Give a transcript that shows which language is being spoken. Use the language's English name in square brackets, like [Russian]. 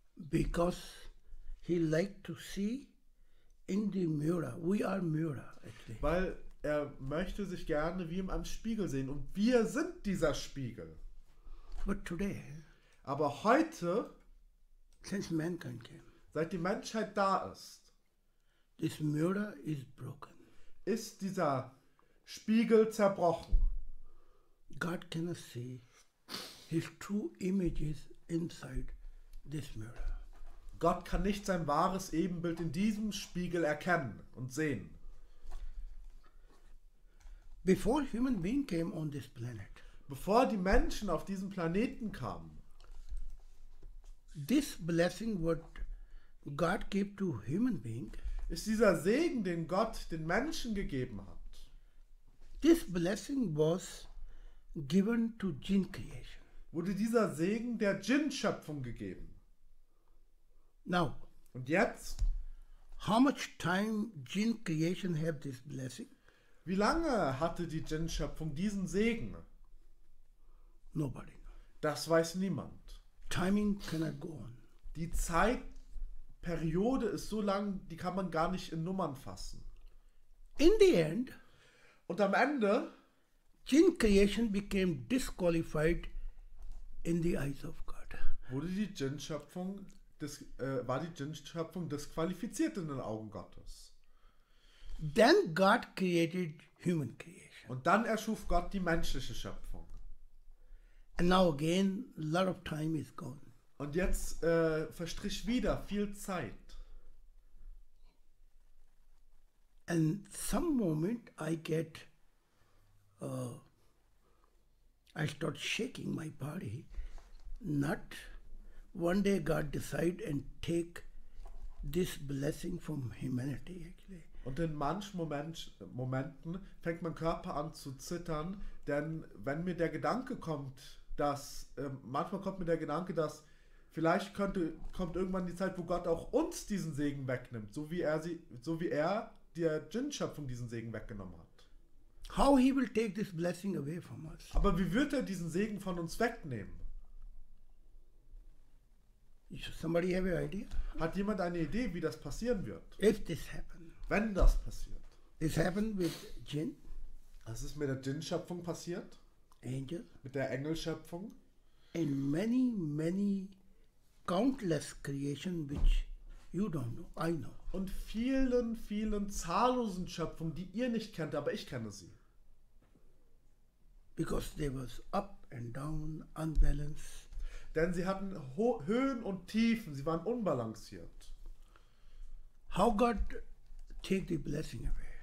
[English] Because he liked to see in the mirror. We are mirror actually. [German] Weil er möchte sich gerne wie in einem Spiegel sehen und wir sind dieser Spiegel. [English] But today, [German] aber heute, [English] since mankind came, [German] seit die Menschheit da ist, [English] this mirror is broken. [German] Ist dieser Spiegel zerbrochen. [English] God cannot see his true images inside this mirror. [German] Gott kann nicht sein wahres Ebenbild in diesem Spiegel erkennen und sehen. [English] Before human being came on this planet, [German] bevor die Menschen auf diesem Planeten kamen, [English] this blessing would God gave to human being, [German] ist dieser Segen, den Gott den Menschen gegeben hat. [English] This blessing was given to Jinn creation. [German] Wurde dieser Segen der Jinn-Schöpfung gegeben. [English] Now, [German] und jetzt, [English] how much time Jinn creation have this blessing? [German] Wie lange hatte die Jinn-Schöpfung diesen Segen? [English] Nobody. [German] Das weiß niemand. [English] Timing cannot go on. [German] Die Zeit Periode ist so lang, die kann man gar nicht in Nummern fassen. [English] In the end, [German] und am Ende, [English] Jinn creation became disqualified in the eyes of God. [German] Wurde die Jinn-Schöpfung, war die Jinn-Schöpfung disqualifiziert in den Augen Gottes? [English] Then God created human creation. [German] Und dann erschuf Gott die menschliche Schöpfung. [English] And now again, a lot of time is gone. [German] Und jetzt verstrich wieder viel Zeit. [English] And some moment I get, I start shaking my body. Not one day God decide and take this blessing from humanity actually. [German] Und in manchen Momenten fängt mein Körper an zu zittern, denn wenn mir der Gedanke kommt, dass manchmal kommt mir der Gedanke, dass vielleicht kommt irgendwann die Zeit, wo Gott auch uns diesen Segen wegnimmt, so wie er der Jinn-Schöpfung diesen Segen weggenommen hat. [English] How he will take this blessing away from us? [German] Aber wie wird er diesen Segen von uns wegnehmen? [English] Somebody have an idea? [German] Hat jemand eine Idee, wie das passieren wird? [English] If this happens. [German] Wenn das passiert. [English] It happened with Jinn. [German] Was ist mit der Jinn-Schöpfung passiert? [English] Angel. [German] Mit der Engelschöpfung? [English] And many, many countless creation which you don't know, I know. [German] Und vielen, vielen zahllosen Schöpfungen, die ihr nicht kennt, aber ich kenne sie. [English] Because they was up and down, unbalanced. [German] Denn sie hatten Höhen und Tiefen, sie waren unbalanciert. [English] How God take the blessing away?